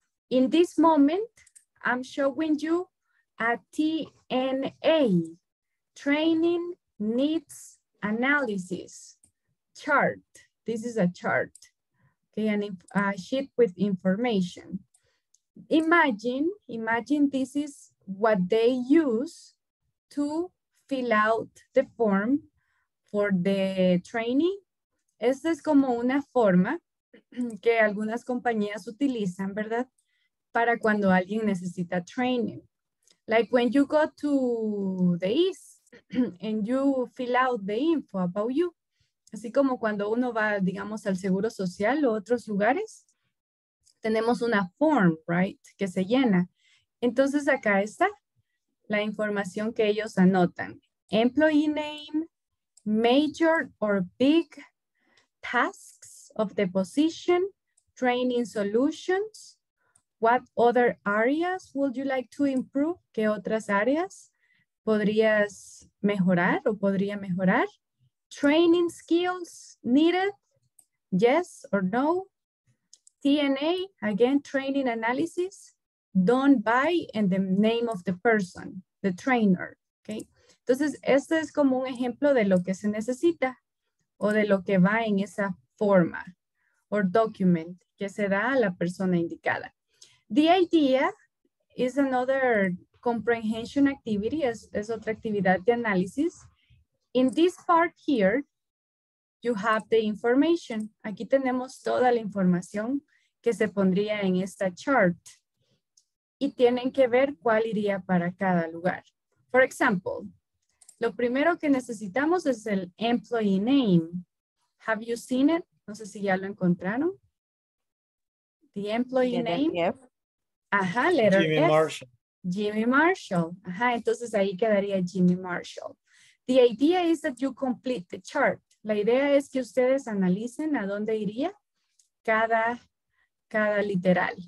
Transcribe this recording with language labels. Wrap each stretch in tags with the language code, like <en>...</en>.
<en>In this moment, I'm showing you a TNA, Training Needs Analysis chart. This is a chart, okay, and a sheet with information. Imagine this is what they use to fill out the form for the training.</en> <es>Esta es como una forma que algunas compañías utilizan, ¿verdad? Para cuando alguien necesita training.</es> <en>Like when you go to the East and you fill out the info about you.</en> <es>Así como cuando uno va, digamos, al Seguro Social o otros lugares. Tenemos una form, right, que se llena. Entonces acá está la información que ellos anotan.</es> <en>Employee name, major or big, tasks of the position, training solutions. What other areas would you like to improve?</en> <es>¿Qué otras áreas podrías mejorar o podría mejorar?</es> <en>Training skills needed, yes or no. TNA, again, training analysis. Don't buy and the name of the person, the trainer. Okay.</en> <es>Entonces, este es como un ejemplo de lo que se necesita o de lo que va en esa forma</es> <en>or document</en> <es>que se da a la persona indicada.</es> <en>The idea is another comprehension activity,</en> <es>es otra actividad de análisis.</es> <en>In this part here, you have the information.</en> <es>Aquí tenemos toda la información que se pondría en esta chart. Y tienen que ver cuál iría para cada lugar.</es> <en>For example,</en> <es>lo primero que necesitamos es el employee name.</es> <en>Have you seen it?</en> <es>No sé si ya lo encontraron.</es> <en>The employee name. Ajá, letter F. Jimmy Marshall.</en> <es>Jimmy Marshall. Ajá, entonces ahí quedaría Jimmy Marshall.</es> <en>The idea is that you complete the chart.</en> <es>La idea es que ustedes analicen a dónde iría cada literal.</es>